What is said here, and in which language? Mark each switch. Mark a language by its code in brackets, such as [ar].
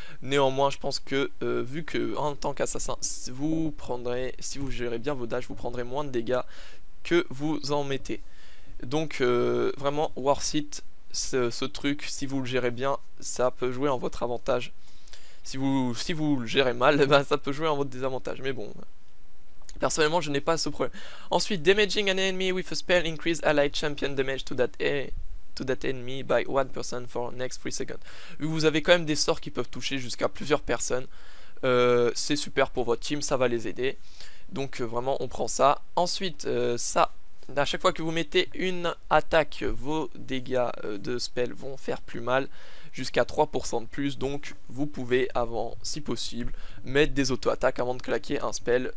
[fr] Néanmoins, je pense que vu que en tant qu'assassin, si vous gérez bien vos dash, vous prendrez moins de dégâts que vous en mettez. Donc, vraiment, [en] worth it [fr] ce truc. Si vous le gérez bien, ça peut jouer en votre avantage. Si vous le gérez mal, ben, ça peut jouer en votre désavantage. Mais bon. Personnellement, je n'ai pas ce problème. [en] Ensuite, damaging an enemy with a spell increase allied champion damage to that enemy by 1% for next 3 seconds. [fr] Vous avez quand même des sorts qui peuvent toucher jusqu'à plusieurs personnes. C'est super pour votre team, ça va les aider. Donc, vraiment, on prend ça. Ensuite, ça, à chaque fois que vous mettez une attaque, vos dégâts de spell vont faire plus mal. Jusqu'à 3% de plus, donc vous pouvez avant, si possible, mettre des auto-attaques avant de claquer un spell.